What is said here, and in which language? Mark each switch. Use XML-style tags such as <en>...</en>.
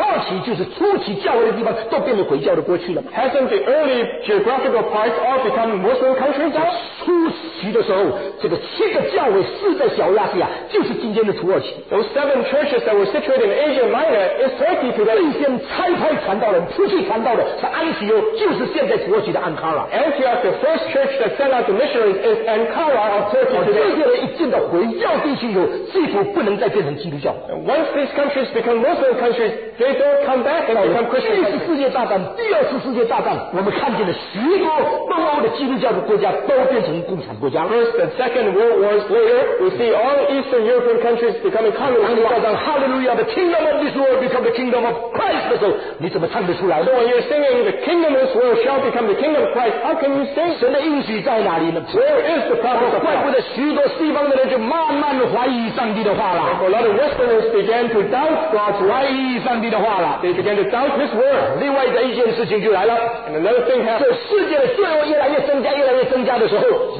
<zh>岂不是在这个中世纪的时候，这个土耳其就是初期教会的地方，都变成回教的过去了吗？</zh> <en>Hasn't the early geographical parts all become Muslim countries?</en> <zh>初期的时候，这个七个教会是在小亚细亚，就是今天的土耳其。</zh> <en>Those seven churches that were situated in Asia Minor is Turkey today.</en> <zh>最先差派传道人出去传道的是安提柯，就是现在土耳其的安卡拉。</zh> <en>Antioch, the first church that sent out the missionaries, is Ankara of Turkey today. And once these countries become Muslim countries, they don't come back and become Christian countries. First and second world wars later, we see all Eastern European countries becoming communist. Hallelujah, the kingdom of this world become the kingdom of Christ. So when you're singing, the kingdom of this world shall become the kingdom of Christ, how can you sing?</en> <zh>神的应许在哪里呢?</zh> <en>Where is the promise of God?</en> <zh>怪不得许多西方的人就慢慢怀疑上帝的话了。</zh> <en>A lot of Westerners began to doubt God's word.</en> <zh>怀疑上帝的话了。</zh> <en>They began to doubt His word.</en> <zh>另外的一件事情就来了。</zh> <en>And another thing happened.</en> <zh>这世界的罪恶越来越增加的时候。</zh>